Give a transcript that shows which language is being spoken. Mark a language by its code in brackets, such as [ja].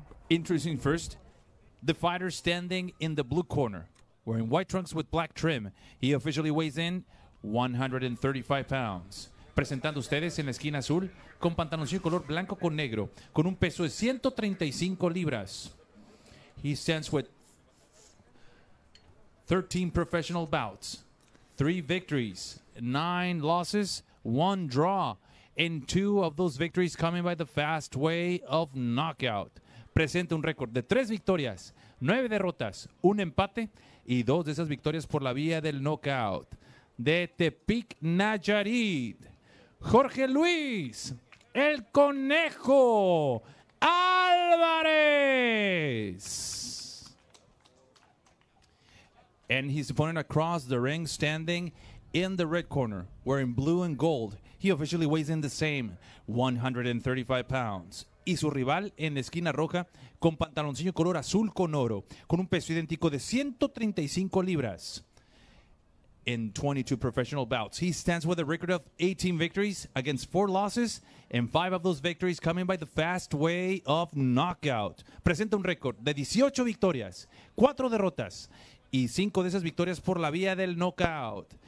[en] Introducing first, the fighter standing in the blue corner, wearing white trunks with black trim. He officially weighs in 135 pounds. [es] Presentando ustedes en la esquina azul, con pantaloncillo color blanco con negro, con un peso de 135 libras. [en] He stands with 13 professional bouts, 3 victories, 9 losses, 1 draw, and 2 of those victories coming by the fast way of knockout. [es] Presenta un récord de 3 victorias, 9 derrotas, 1 empate y 2 de esas victorias por la vía del knockout. De Tepic, Nayarit, Jorge Luis, el Conejo Alvarez. [en] And his opponent across the ring standing in the red corner, wearing blue and gold. He officially weighs in the same, 135 pounds. [es] Y su rival en la esquina roja, con pantaloncillo color azul con oro, con un peso idéntico de 135 libras. [en] In 22 professional bouts, he stands with a record of 18 victories against 4 losses, and 5 of those victories coming by the fast way of knockout. [es] Presenta un récord de 18 victorias, 4 derrotas, y 5 de esas victorias por la vía del knockout.